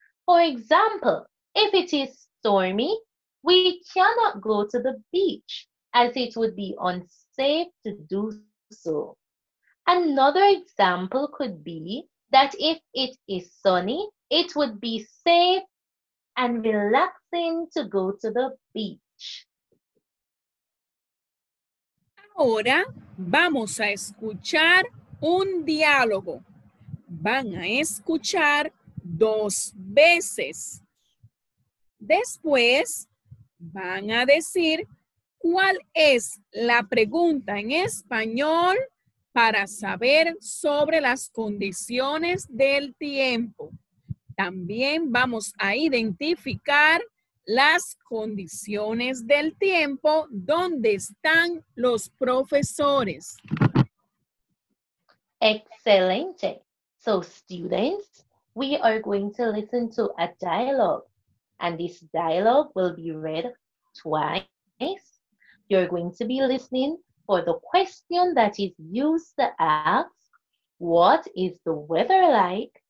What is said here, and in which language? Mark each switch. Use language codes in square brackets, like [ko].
[en] For example, if it is stormy, we cannot go to the beach as it would be unsafe to do so. Another example could be that if it is sunny, it would be safe and relaxing to go to the beach. [es] Ahora vamos a escuchar un diálogo. Van a escuchar dos veces. Después van a decir cuál es la pregunta en español para saber sobre las condiciones del tiempo. También vamos a identificar las condiciones del tiempo donde están los profesores. Excelente. [en] So, students, we are going to listen to a dialogue, and this dialogue will be read twice. You're going to be listening for the question that is used to ask, what is the weather like?